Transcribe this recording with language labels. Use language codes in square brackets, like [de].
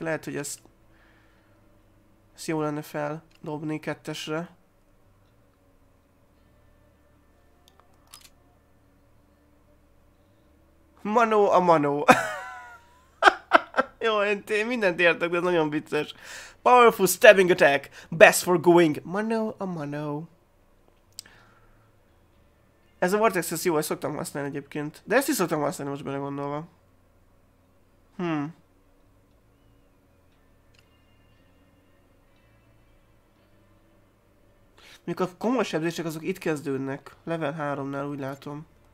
[hu] Lehet, hogy ezt jó lenne feldobni kettesre. Manó a manó. Jó, én mindent értek, de ez nagyon vicces. [en] Powerful stabbing attack, best for going. [hu] Manó a manó. Ez a Vortex, ez jó, ezt szoktam használni egyébként. De ezt is szoktam használni most belegondolva. Mikor a komoly sebzések azok itt kezdődnek. Level 3-nál úgy látom.